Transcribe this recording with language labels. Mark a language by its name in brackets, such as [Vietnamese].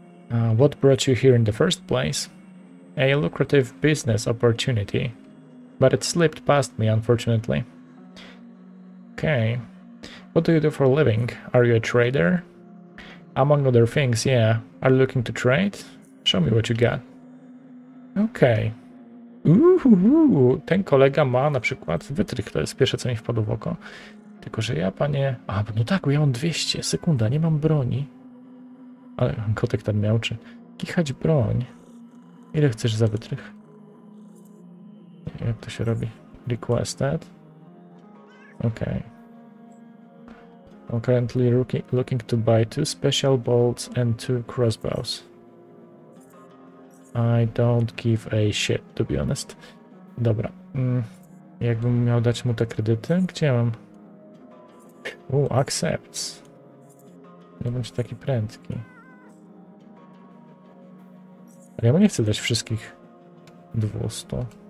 [English] What brought you here in the first place? A lucrative business opportunity, but it slipped past me, unfortunately. Okay. What do you do for a living? Are you a trader? Among other things, yeah. Are you looking to trade? Show me what you got. Okej. Okay. [Polish] Ten kolega ma na przykład wytrych, to jest pierwsze, co mi wpadło w oko. Tylko, że ja, panie... A, no tak, ja mam 200. Sekunda, nie mam broni. Ale kotek tam miałczy. Kichać broń. Ile chcesz za wytrych? Nie, jak to się robi? Requested. Okej. Okay. [English] I'm currently looking to buy 2 special bolts and 2 crossbows. I don't give a shit, to be honest. [Polish] Dobra. Jakbym miał dać mu te kredyty? Gdzie mam? Accepts. Nie bądź taki prędki. Ale ja mu nie chcę dać wszystkich 200.